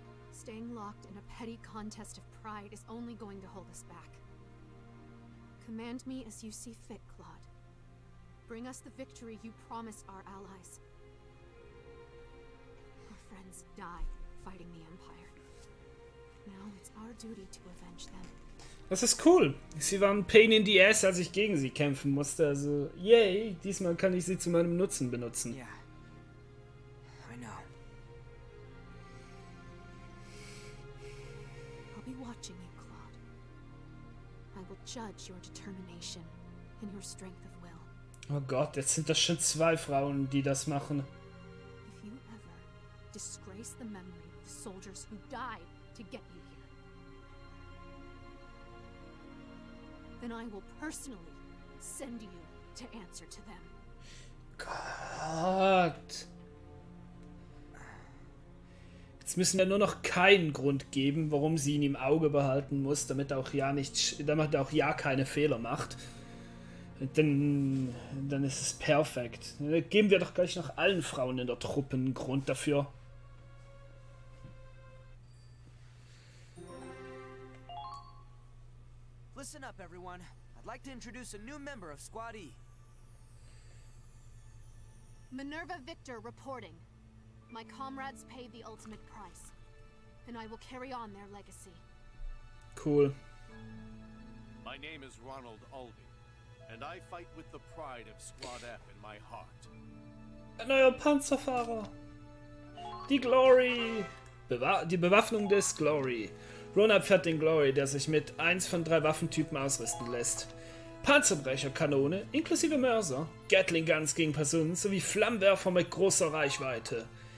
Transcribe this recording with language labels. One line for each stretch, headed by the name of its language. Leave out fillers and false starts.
English: Staying locked in a petty contest of pride is only going to hold us back. Command me as you see fit, Claude. Bring us the victory you promised our allies. Our friends die fighting the Empire. Now it's our duty to avenge them.
German: Das ist cool. Sie waren
English: pain in the ass,
German: als ich gegen sie kämpfen musste. Also, yay, diesmal kann ich sie zu meinem Nutzen benutzen.
English: Ja. I know. I'll be watching you, Claude. I will judge your determination and your strength of will.
German: Oh Gott, jetzt sind das schon zwei Frauen, die das machen.
English: If you ever disgrace the memory of the soldiers who died to get you. Then I will personally send you to answer to them.
German: Gott. Jetzt müssen wir nur noch keinen Grund geben, warum sie ihn im Auge behalten muss, damit auch ja nicht, damit auch ja keine Fehler macht. Dann ist es perfekt. Dann geben wir doch gleich noch allen Frauen in der Truppe einen Grund dafür.
English: Listen up, everyone. I'd like to introduce a new member of Squad E. Minerva Victor reporting. My comrades paid the ultimate price, and I will carry on their legacy. Cool. My name is Ronald Albi, and I fight with the pride of Squad F in my heart.
German: Ein neuer Panzerfahrer. Die Glory. Die Bewaffnung des Glory. Ronald fährt den Glory, der sich mit 1 von 3 Waffentypen ausrüsten lässt. Panzerbrecher, Kanone, inklusive Mörser, Gatling Guns gegen Personen sowie Flammenwerfer mit großer Reichweite.